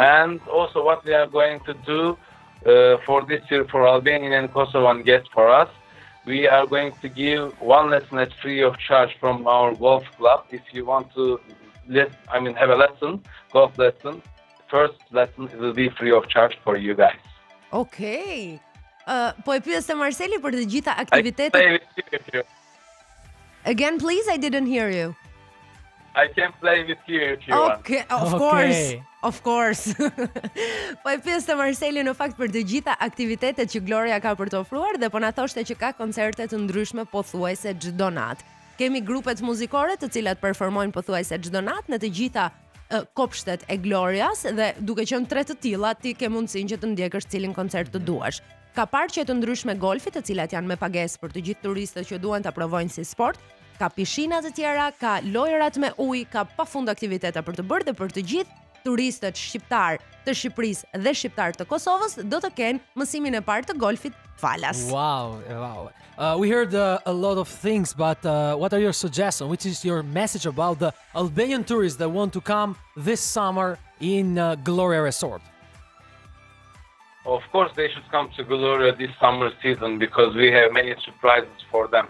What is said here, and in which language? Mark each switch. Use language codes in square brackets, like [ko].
[en] And also what we are going to do for this year for Albanian and Kosovan guests for us, we are going to give one lesson at free of charge from our golf club. If you want to have a lesson, golf lesson, first lesson it will be free of charge for you guys. Okay. [sq] Po e pyes se Marseli për të gjitha aktivitetet. [en] Again, please, I didn't hear you. I can play with you if you okay, want. Of course. [sq] Po e pyes se Marseli në fakt për të gjitha aktivitetet që Gloria ka për të ofruar dhe po na thoshte që ka koncerte të ndryshme pothuajse çdo natë. Kemi grupet muzikore të cilat performojnë pothuajse çdo natë në të gjitha kopshtet e Glorias dhe duke qenë tre të tilla ti ke mundësinë që të ndjekësh cilin koncert të duash. Ka parqe të ndryshme golfi të cilat janë me pagesë për të gjithë turistët që duan ta provojnë si sport, ka pishina të tjera, ka lojërat me ujë, ka pafund aktivitete për të bërë dhe për të gjithë turistët shqiptar të Shqipërisë dhe shqiptar të Kosovës do të kenë mësimin e parë të golfit falas. [en] Wow, wow. We heard a lot of things, but what are your suggestions? Which is your message about the Albanian tourists that want to come this summer in Gloria Resort? Of course, they should come to Gloria this summer season because we have many surprises for them.